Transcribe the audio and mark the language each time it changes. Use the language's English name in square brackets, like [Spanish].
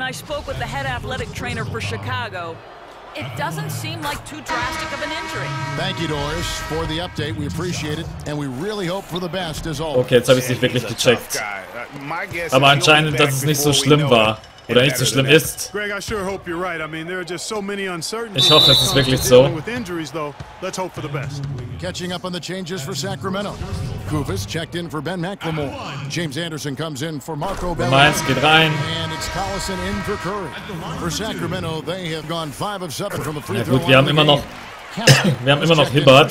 [English] I spoke with the head athletic trainer for Chicago. It doesn't seem like too drastic of an injury. Thank you, Doris, for the update. We appreciate it. And we really hope for the best as always. [German] Okay, jetzt habe ich es nicht wirklich gecheckt. Aber anscheinend, dass es nicht so schlimm war. Oder nicht so schlimm ist. [English] Greg, I sure hope you're right. I mean, there are just so many uncertainties. [German] Ich hoffe, es ist wirklich so. [English] With injuries, though, let's hope for the best. Catching up on the changes for Sacramento. Kufis checked in for Ben McLemore. James Anderson comes in for Marco Bellini. And it's Collison in for Curry. For Sacramento, they have gone 5 of 7 from a free throw. [German] Gut, wir haben immer noch wir haben immer noch Hibbert.